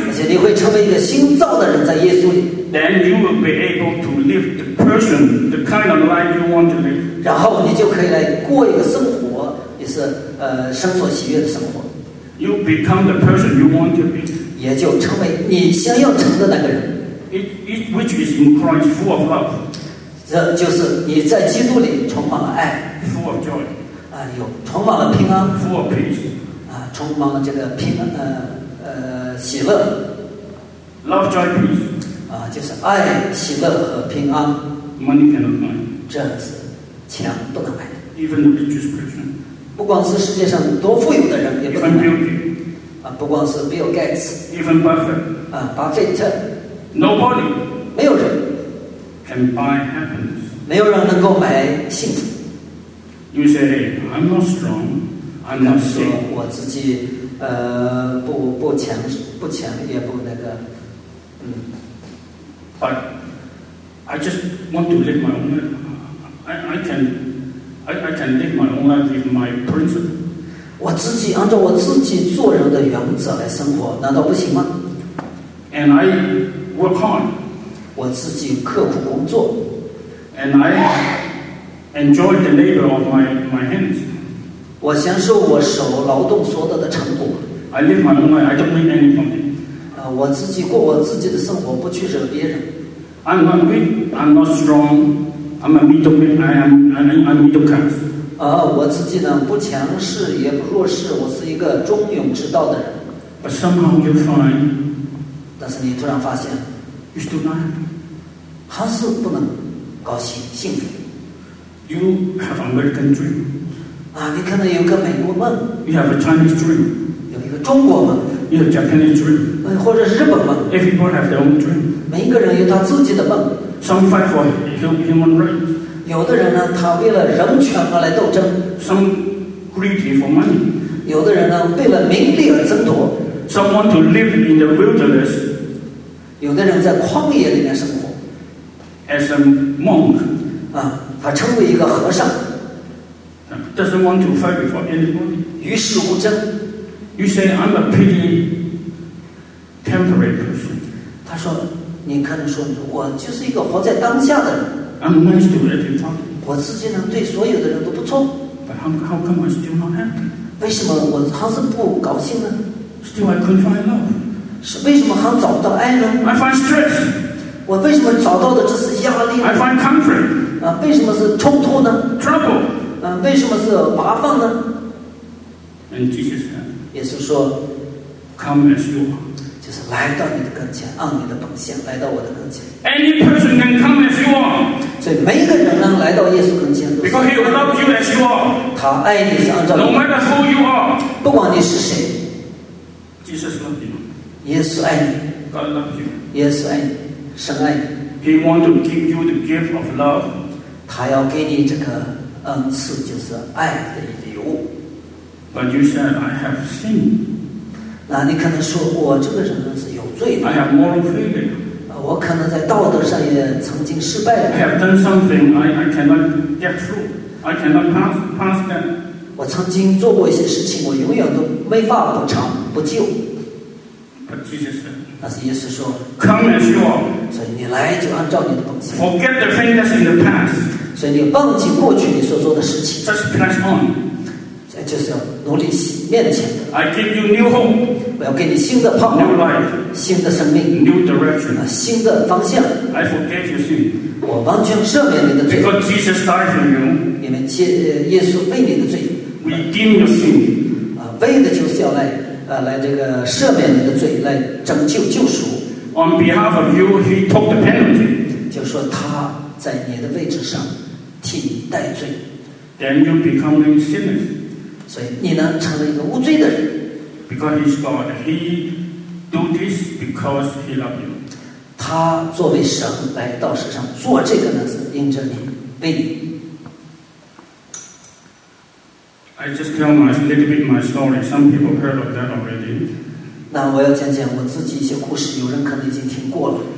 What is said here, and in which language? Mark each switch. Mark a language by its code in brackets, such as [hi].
[zh] 而且你会成为一个新造的人，在耶稣里。 [en] Then you will be able to live the person, the kind of life you want to live. [zh] 然后你就可以来过一个生活，也是生所喜悦的生活。 [en] You become the person you want to be. [zh] 也就成为你想要成的那个人。 [en] It which is in Christ full of love. [zh] 这就是你在基督里充满了爱。 [en] Full of joy. [zh] 有充满了平安。 [en] Full of peace. [zh] 充满了这个平安喜乐。 [en] Love, joy, peace. [zh] 就是爱、喜乐和平安。 [en] Money cannot buy. [zh] 这样子。钱不能买的。 [en] Even the richest person, [zh] 不光是世界上多富有的人也不能买。 [en] Even Bill [zh] Gates, 不光是 Bill Gates, [en] Even Buffett, Buffett, nobody, [zh] 没有人 [en] can buy happiness. [zh] 没有人能够买幸福。 [en] You say, I'm not strong, I'm not sick. [zh] 我自己不强不强也不那个 [en] But I just want to live my own life. I can live my own life with my principle. [zh] 我自己按照我自己做人的原则来生活，难道不行吗 [en] ？And I work hard. [zh] 我自己刻苦工作。 [en] And I enjoy the labor of my hands. [zh] 我享受我手劳动所得的成果。 [en] I live my own life. I don't need any money. [zh] 我自己过我自己的生活，不去惹别人。 [en] I'm not weak. I'm not strong. I'm a middle man. I'm middle class. [zh] 我自己呢不强势也不弱势，我是一个中庸之道的人。 [en] But somehow you find. [zh] 但是你突然发现 [en] ，You still not happy. [zh] 还是不能高兴幸福。 [en] You have American dream. [zh] 你可能有个美国梦。 [en] You have a Chinese dream. [zh] 有一个中国梦。 [en] You have Japanese dream. [zh] 或者是日本梦。 [en] Everyone have their own dream. [zh] 每一个人有他自己的梦。 [en] Some fight for human rights. [zh] 有的人呢，他为了人权而来斗争。 [en] Some greedy for money. [zh] 有的人呢，为了名利而争夺。 [en] Some want to live in the wilderness. [zh] 有的人在旷野里面生活。 [en] As a monk. [zh] 他成为一个和尚。 [en] Doesn't want to fight for anybody. [zh] 与世无争。 [en] You say I'm a pretty temporary person. [zh] 他说，你可能说我就是一个活在当下的人。 [en] I'm nice to everybody. [zh] 我世界上对所有的人都不错。 [en] But how come I still not happy? [zh] 为什么我还是不高兴呢？ [en] Still I couldn't find love. [zh] 是为什么还找不到爱呢？ [en] I find stress. [zh] 我为什么找到的就是压力？ [en] I find comfort. [zh] 为什么是冲突呢？ [en] Trouble. [zh] 为什么是麻烦呢？ [en] And Jesus said, [zh] 耶稣说， [en] Come as you are. [zh] 就是来到你的跟前，按你的本相来到我的跟前。 [en] Any person can come as you are. [zh] 所以每一个人能来到耶稣跟前都是。 [en] Because he loves you as you are. [zh] 他爱你是按照你。 [en] No matter who you are. [zh] 不管你是谁。 [en] Jesus loves you. [zh] 耶稣爱你。 [en] God loves you. [zh] 耶稣爱你，神爱你。 [en] He wants to give you the gift of love. [zh] 他要给你这个恩赐，就是爱的礼物。 [en] But you said I have sinned. [zh] 那你可能说我这个人是有罪的。 [en] I have moral failure. [zh] 我可能在道德上也曾经失败了。 [en] I have done something I cannot get through. I cannot pass that. [zh] 我曾经做过一些事情，我永远都没法补偿不救。 [en] But Jesus said. [zh] 但是耶稣说。 [en] Come as you are. [zh] 所以你来就按照你的本性。 [en] Forget the things that's in the past. [zh] 所以你忘记过去你所做的事情。 [en] Just press on. [zh] 就是要努力面前的。 [en] I give you new hope. [zh] 我要给你新的盼望。 [en] New life. [zh] 新的生命。 [en] New direction. [zh] 新的方向。 [en] I forget your sin. [zh] 我完全赦免你的罪。 [en] Because Jesus died for you. [zh] 因为耶稣为你的罪。 [en] Redeem your sin. [zh] 为的就是要来这个赦免你的罪，来拯救救赎。 [en] On behalf of you, he took the penalty. [zh] 就说他在你的位置上替你代罪。 [en] Then you become a sinner. [zh] 所以你呢成了一个无罪的人。 [en] Because he's God, he do this because he loves you. [zh] 他作为神来到世上做这个呢，是因着你，为你。 [en] I just tell my little bit my story. Some people heard of that already. [zh] 那我要讲讲我自己一些故事，有人可能已经听过了。